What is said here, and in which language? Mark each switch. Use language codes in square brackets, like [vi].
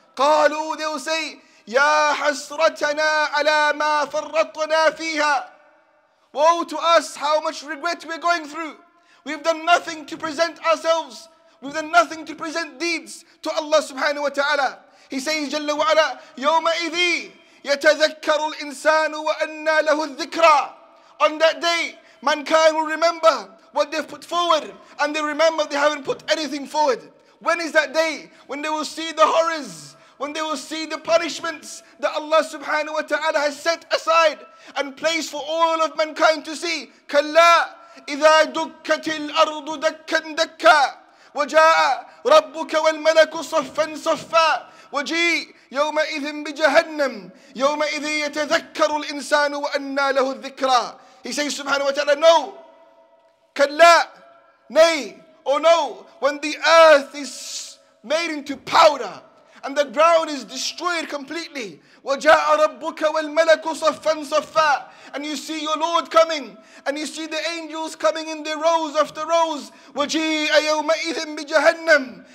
[ar] قَالُوا, [en] they will say, [ar] يَا حَسْرَتَنَا عَلَى مَا فَرَّطْنَا فِيهَا. [en] Woe to us, how much regret we're going through. We've done nothing to present ourselves. We've done nothing to present deeds to Allah subhanahu wa ta'ala. He says, جَلَّ وَعَلَى, [ar] يَوْمَئِذِي يَتَذَكَّرُ الْإِنسَانُ وَأَنَّا لَهُ الذِّكْرَى. [en] On that day, mankind will remember what they've put forward, and they remember they haven't put anything forward. When is that day? When they will see the horrors, when they will see the punishments that Allah subhanahu wa ta'ala has set aside and placed for all of mankind to see. [ar] كَلَّا إِذَا دُكَّتِ الْأَرْضُ دَكًّا دَكًّا وَجَاءَ رَبُّكَ وَالْمَلَكُ صَفًّا صَفًّا وَجِيءَ يَوْمَئِذٍ بِجَهَنَّمَ يَوْمَئِذٍ يَتَذَكَّرُ الْإِنسَانُ وَأَنَّى لَهُ الذِّكْرَى. [en] He says subhanahu wa ta'ala, no, كلا, nay, Oh no, when the earth is made into powder and the ground is destroyed completely. [ar] وَجَاءَ رَبُّكَ وَالْمَلَكُ صَفًّا صَفًّا. [en] And you see your Lord coming, and you see the angels coming in their rows after rows. [ar] وَجِيءَ يَوْمَئِذٍ بِجَهَنَّمْ.